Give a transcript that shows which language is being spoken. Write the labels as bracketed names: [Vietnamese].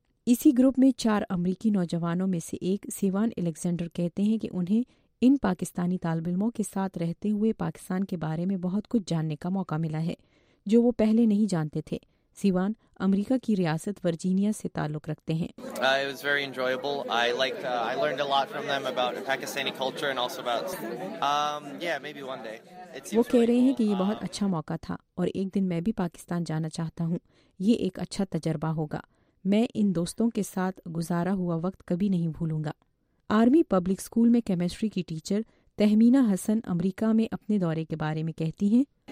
[Urdu] اسی گروپ میں 4 امریکی نوجوانوں میں سے ایک سیوان الیگزینڈر کہتے ہیں کہ انہیں ان پاکستانی طالب علموں کے ساتھ رہتے ہوئے پاکستان کے بارے میں بہت کچھ جاننے کا موقع ملا ہے، جو وہ پہلے نہیں جانتے تھے۔ سیوان امریکہ کی ریاست ورجینیا سے تعلق رکھتے ہیں۔ [English] It was very enjoyable. I learned a lot from them about Pakistani culture and also about maybe one day. [Urdu] وہ کہہ رہے ہیں کہ یہ بہت اچھا موقع تھا، اور ایک دن میں بھی پاکستان جانا چاہتا ہوں، یہ ایک اچھا تجربہ ہوگا، میں ان دوستوں کے ساتھ گزارا ہوا وقت کبھی نہیں بھولوں گا۔ آرمی پبلک اسکول میں کیمسٹری کی ٹیچر تہمینہ حسن امریکہ میں اپنے دورے کے بارے میں کہتی ہیں،